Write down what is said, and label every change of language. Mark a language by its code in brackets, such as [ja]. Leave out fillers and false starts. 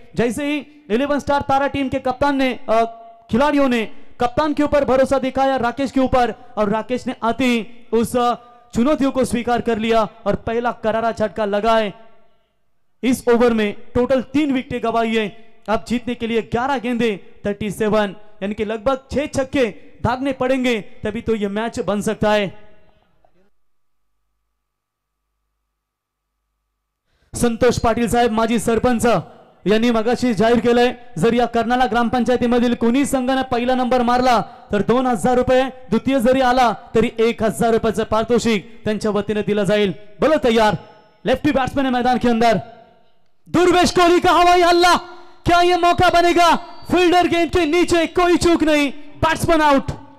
[hi] जैसे ही 11 स्टार तारा टीम के कप्तान ने खिलाड़ियों ने कप्तान के ऊपर भरोसा दिखाया राकेश के ऊपर, और राकेश ने आते ही उस चुनौतियों को स्वीकार कर लिया और पहला करारा झटका लगाए, इस ओवर में टोटल 3 विकेटें गवाई है, अब जीतने के लिए 11 गेंदे 37 यानी कि लगभग 6 छक्के दागने पड़ेंगे तभी तो यह मैच बन सकता है। [mr] संतोष पाटील साहेब माजी सरपंच यांनी मगाशी जाहीर केलंय, जर या कर्नाला ग्राम पंचायती मधील कोणी संघाने पहिला नंबर मारला तर 2000 रुपये, द्वितीय जरी आला तरी 1000 रुपयाचं पारितोषिक त्यांच्या वतीने दिलं जाईल। [hi] बोलो तयार, लेफ्टी बॅट्समन है मैदान के अंदर, दुर्वेश कोहली का हवाई हल्ला, क्या ये मौका बनेगा, फील्डर गेंद के नीचे कोई चूक नहीं, बैट्समैन आउट।